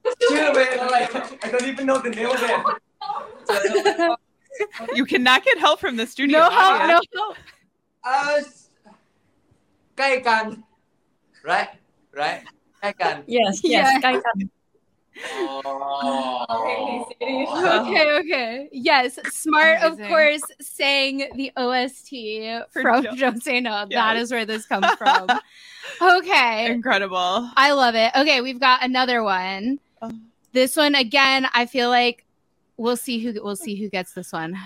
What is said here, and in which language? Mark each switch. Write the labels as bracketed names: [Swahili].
[Thai] ชื่อเป็นอะไร [English] I don't even know the name of it You cannot get help from the studio No help No help [Thai] ใกล้กัน right ใกล้กัน [English] Yes Yes [Thai] ใกล้กัน [English] Okay, okay. Yes, smart, Amazing. Of course, saying the OST from Don't Say No. Yes. That is where this comes from. Okay. Incredible. I love it. Okay, we've got another one. This one, again, I feel like we'll see who gets this one.